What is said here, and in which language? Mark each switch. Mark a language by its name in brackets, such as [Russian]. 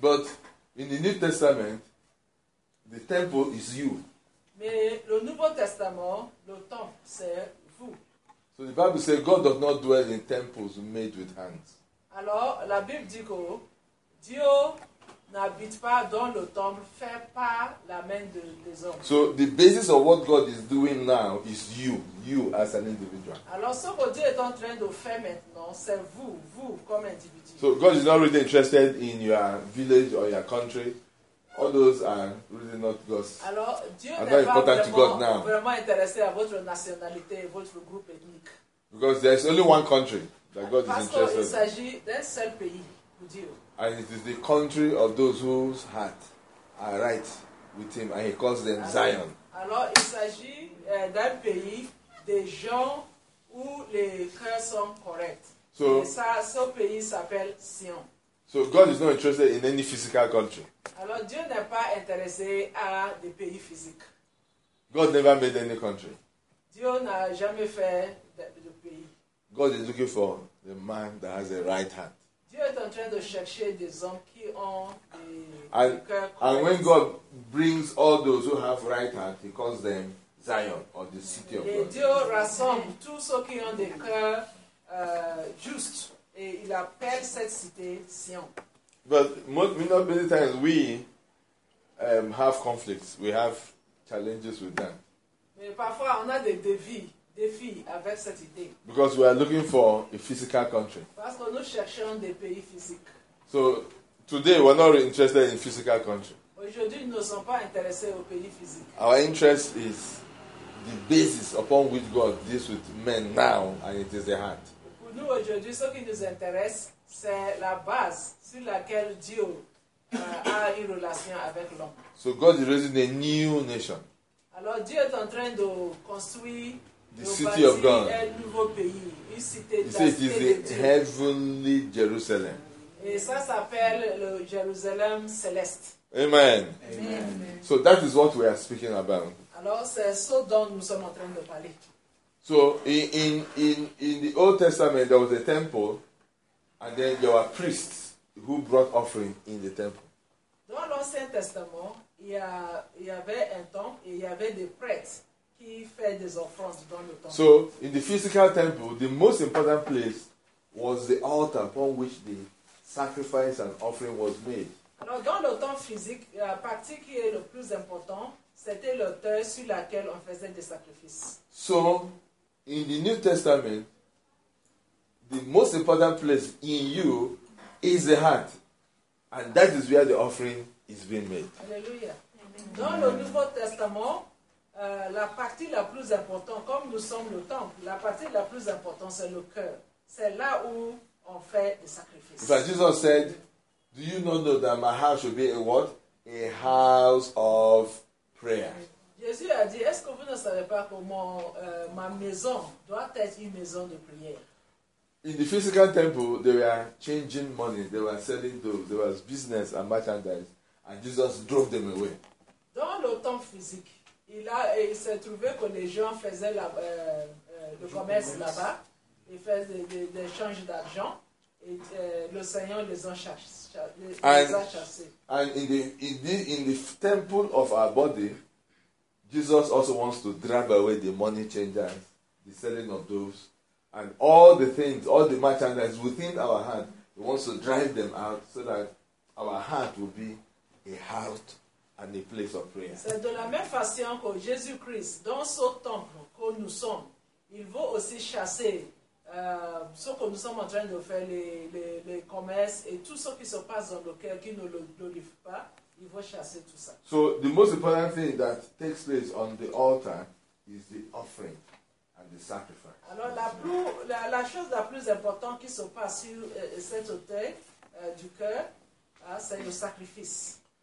[English] But in the New Testament, the temple is you. [French] Mais le Nouveau Testament, le temple, c'est vous. [English] So the Bible says God does not dwell in temples made with hands. [French] Alors, la Bible dit que Dieu n'habite pas dans le temple fait par la main des hommes. [English] So, the basis of what God is doing now is you as an individual. [French] Alors, ce que Dieu est en train de faire maintenant, c'est vous comme individu. [English] So, God is not really interested in your village or your country. All those are really not God's. [French] Alors, Dieu n'est pas important [English] to God now. [French] Vraiment intéressé à votre nationalité et votre groupe ethnique. [English] Because there is only one country that God is interested in. [French] Parce qu'il s'agit d'un seul pays. [English] And it is the country of those whose heart are right with him, and he calls them Zion. [French] Alors, il s'agit d'un pays des gens où les cœurs sont corrects. [English] So, [French] ce pays s'appelle Sion. [English] So God is not interested in any physical country. [French] Alors, Dieu n'est pas intéressé à des pays physiques. [English] God never made any country. [French] Dieu n'a jamais fait de pays. [English] God is looking for the man that has a right heart. [French] Dieu est en train de chercher des hommes qui ont des cœurs corrects. [English] And when God brings all those who have right heart, he calls them Zion, or the city of God. [French] Et Dieu rassemble tous ceux qui ont des cœurs justes, et il appelle cette cité Sion. [English] But many times we have conflicts, we have challenges with them. [French] Mais parfois on a des défis avec cette idée. [English] Because we are looking for a physical country. [French] Parce que nous cherchons des pays physiques. [English] So today we're not interested in physical country. [French] Aujourd'hui, nous ne sommes pas intéressés aux pays physiques. [English] Our interest is the basis upon which God deals with men now, and it is the heart. [French] Pour nous aujourd'hui, ce qui nous intéresse, c'est la base sur laquelle Dieu a une relation avec l'homme. [English] So God is raising a new nation. [French] Alors Dieu est en train de construire [English] the city of God. He says it is the heavenly Jerusalem. [French] Et ça s'appelle le Jérusalem céleste. Amen. Amen. Amen. [English] So that is what we are speaking about. [French] Alors c'est ce dont nous sommes en train de parler. [English] So in the Old Testament there was a temple, and then there were priests who brought offering in the temple. [French] Dans l'Ancien Testament, il y avait un temple et il y avait des prêtres qui faisaient des offrandes dans le temple. [English] So in the physical temple, the most important place was the altar upon which the sacrifice and offering was made. [French] Alors dans le temple physique, la partie qui est le plus important, c'était l'autel sur lequel on faisait des sacrifices. [English] So in the New Testament, the most important place in you is the heart, and that is where the offering is being made. Alléluia. [French] Dans le Nouveau Testament, la partie la plus importante, comme nous sommes le temple, la partie la plus importante c'est le cœur. C'est là où on fait des sacrifices. [English] But Jesus said, do you not know that my house should be a what? A house of prayer. [French] Jésus a dit, est-ce que vous ne savez pas comment ma maison doit être une maison de prière? [English] In the physical temple, they were changing money. They were selling those. There was business and merchandise. And Jesus drove them away. [French] Dans le temple physique, il s'est trouvé que les gens faisaient le commerce là-bas. Ils faisaient des changes d'argent. Et le Seigneur les a chassés. [English] And in the temple of our body, Jesus also wants to drive away the money changers, the selling of doves, and all the things, all the merchandise within our heart. He wants to drive them out so that our heart will be a heart and a place of prayer. [French] C'est de la même façon que Jésus Christ, dans ce temple que nous sommes, il veut aussi chasser ce que nous sommes en train de faire, les commerces et tout ce qui se passe dans le cœur qui ne le glorifie pas. Il va chasser tout ça. [English] So the most important thing that takes place on the altar is the offering and the sacrifice. [French] Alors la chose la plus importante qui se passe sur cet autel du cœur, c'est le sacrifice.